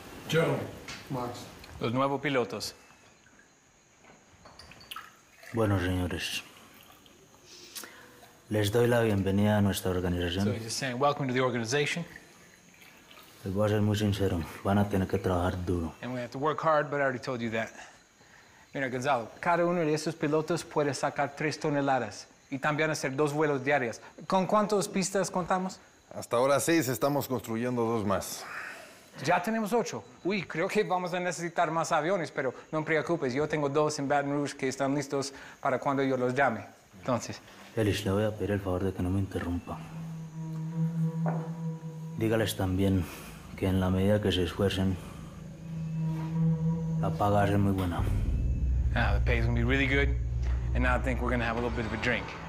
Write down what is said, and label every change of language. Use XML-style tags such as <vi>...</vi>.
<es>Joe, Max. Los nuevos pilotos. Bueno, señores, les doy la bienvenida a nuestra organización.</es> <en>So he's saying, welcome to the organization.</en> <es>Les voy a ser muy sincero, van a tener que trabajar duro.</es> <en>And we have to work hard, but I already told you that.</en> <es>Mira, Gonzalo, cada uno de esos pilotos puede sacar 3 toneladas y también hacer 2 vuelos diarios. ¿Con cuántas pistas contamos? Hasta ahora 6, estamos construyendo 2 más. Ya tenemos 8. Uy, creo que vamos a necesitar más aviones, pero no te preocupes. Yo tengo 2 en Baton Rouge que están listos para cuando yo los llame. Entonces. Félix, le voy a pedir el favor de que no me interrumpa. Dígales también que en la medida que se esfuercen, la paga va a ser muy buena.</es> <en>The pay is going to be really good. And now I think we're going to have a little bit of a drink.</en>